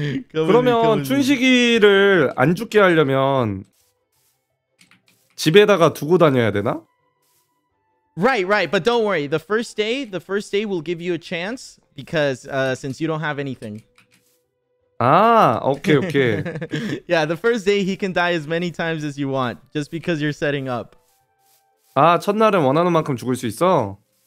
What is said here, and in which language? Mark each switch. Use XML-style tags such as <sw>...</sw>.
<ko>그러면 춘식이를 안 죽게 하려면 집에다가 두고 다녀야 되나?</ko> <en>Right, but don't worry. The first day will give you a chance because since you don't have anything. Okay. Yeah, the first day he can die as many times as you want just because you're setting up.</en> <ko>아, 첫날은 원하는 만큼 죽을 수 있어?</ko>